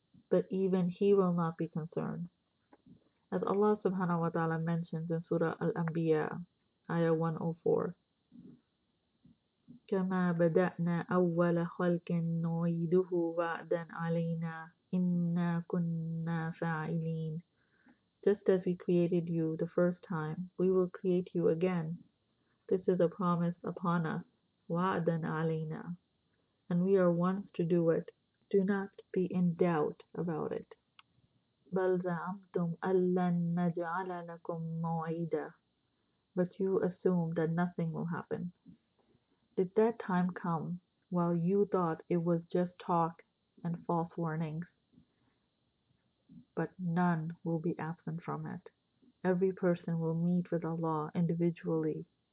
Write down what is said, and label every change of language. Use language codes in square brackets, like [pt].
[en] But even he will not be concerned. As Allah subhanahu wa ta'ala mentions in Surah Al-Anbiya, Ayah 104, [ar] كما بدأنا أول خلق نعيده وعدا علينا إنا كنا فاعلين. [en] Just as we created you the first time, we will create you again. This is a promise upon us. [ar] وعدا علينا. [en] And we are ones to do it. Do not be in doubt about it. [ar] بل زعمتم ألن نجعل لكم موعدا. [en] But you assume that nothing will happen. Did that time come while you thought it was just talk and false warnings? But none will be absent from it. Every person will meet with Allah individually.